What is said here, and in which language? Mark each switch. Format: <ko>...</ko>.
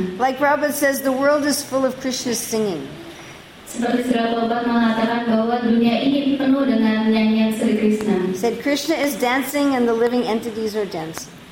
<en>Like Prabhupada says, the world is full of Krishna's singing.</en> <id>Seperti Sri Prabhupada mengatakan bahwa dunia ini penuh dengan nyanyian Sri Krishna.</id> <en>Said Krishna is dancing and the living entities are dancing.</en>